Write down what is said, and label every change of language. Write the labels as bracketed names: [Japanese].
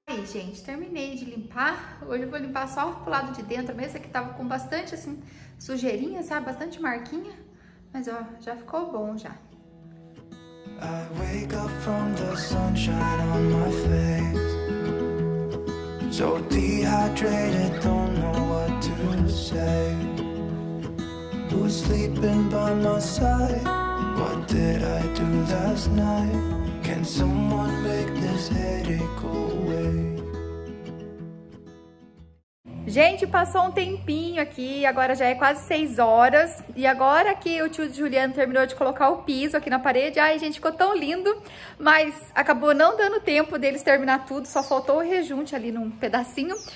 [Portuguese] Gente, terminei de limpar. Hoje eu vou limpar só pro lado de dentro mesmo. Esse aqui tava com bastante, assim, sujeirinha, sabe? Bastante marquinha. Mas, ó, já ficou bom já. [English] I wake up from the sunshine on my face. So dehydrated, don't know what to say. Who's sleeping by my side? What did I do last night? Can someone make this headache away? [Portuguese] Gente, passou um tempinho aqui, agora já é quase 6 horas. E agora que o tio Juliano terminou de colocar o piso aqui na parede, ai, gente, ficou tão lindo. Mas acabou não dando tempo deles terminar tudo, só faltou o rejunte ali num pedacinho.